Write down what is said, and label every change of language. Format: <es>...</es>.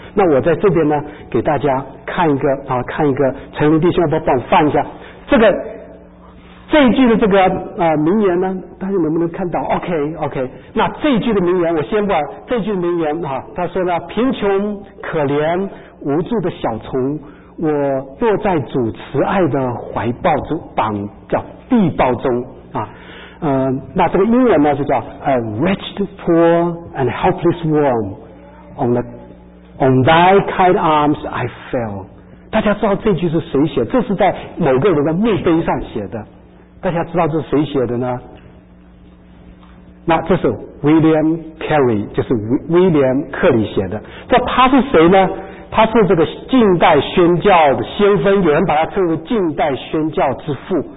<zh>那我在这边呢给大家看一个啊，看一个陈林弟兄要不要帮我放一下这个这一句的这个名言呢，大家能不能看到 ？OK OK， 那这一句的名言我先不管，这一句名言啊，他说呢，贫穷可怜无助的小虫我坐在主慈爱的怀抱中，绑叫臂抱中啊。那这个英文呢就叫</zh> <en>A wretched, poor and helpless worm on thy kind arms I fell。</en> <zh>大家知道这句是谁写？这是在某个人的墓碑上写的。大家知道这是谁写的呢？那这是 William Carey， 就是威廉克里写的。这他是谁呢？他是这个近代宣教的先锋，有人把他称为近代宣教之父。</zh>